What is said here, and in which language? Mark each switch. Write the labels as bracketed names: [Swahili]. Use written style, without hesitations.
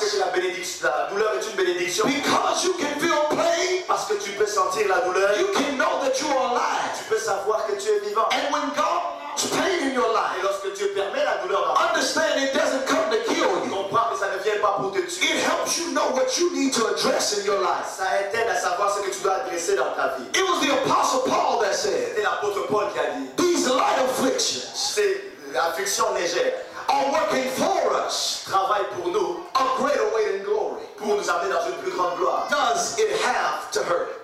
[French] c'est que la bénédiction, la douleur est une bénédiction. [English] Because you can feel pain, [French] parce que tu peux sentir la douleur, [English] you can know that you are alive, [French] tu peux savoir que tu es vivant. [English] And when God pain in your life. [French] Et lorsque Dieu permet la douleur, [English] understand it doesn't come to kill you. [French] Comprends que ça ne vient pas pour te tuer. [English] It helps you know what you need to address in your life. [French] Ça aide à savoir ce que tu dois adresser dans ta vie. [English] It was the Apostle Paul that said. [French] C'est l'apôtre Paul qui a dit. [English] These light afflictions. [French] Ces afflictions légères. [English] Are working for us. [French] Travaillent pour nous. [English] A greater way in glory. [French] Pour nous amener dans une plus grande gloire. [English] Does it have to hurt?